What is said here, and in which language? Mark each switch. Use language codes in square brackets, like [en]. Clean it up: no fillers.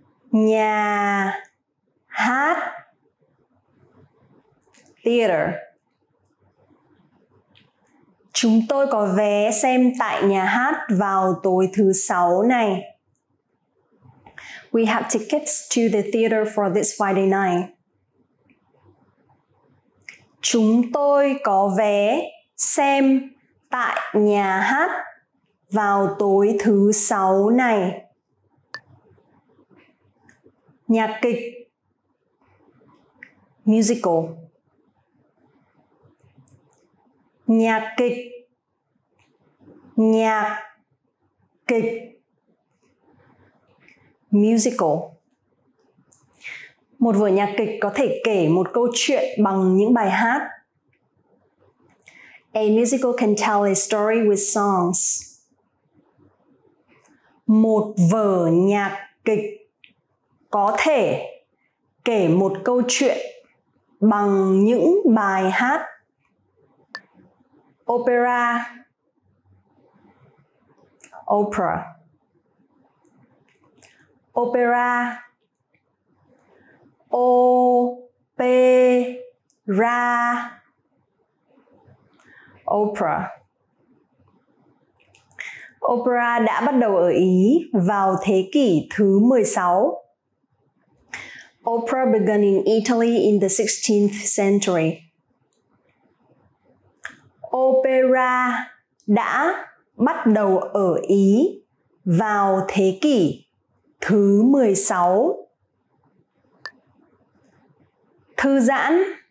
[vi] Nhà hát. [en] Theater. [vi] Chúng tôi có vé xem tại nhà hát vào tối thứ sáu này. [en] We have tickets to the theater for this Friday night. [vi] Chúng tôi có vé xem tại nhà hát vào tối thứ sáu này. Nhạc kịch. [en] Musical. [vi] Nhạc kịch. Nhạc kịch. [en] Musical. [vi] Một vở nhạc kịch có thể kể một câu chuyện bằng những bài hát. [en] A musical can tell a story with songs. [vi] Một vở nhạc kịch có thể kể một câu chuyện bằng những bài hát. [en] Opera. Opera. Opera. Opera. Opera. [vi] Opera đã bắt đầu ở Ý vào thế kỷ thứ 16. [en] Opera began in Italy in the 16th century. [vi] Opera đã bắt đầu ở Ý vào thế kỷ thứ 16. Thư giãn.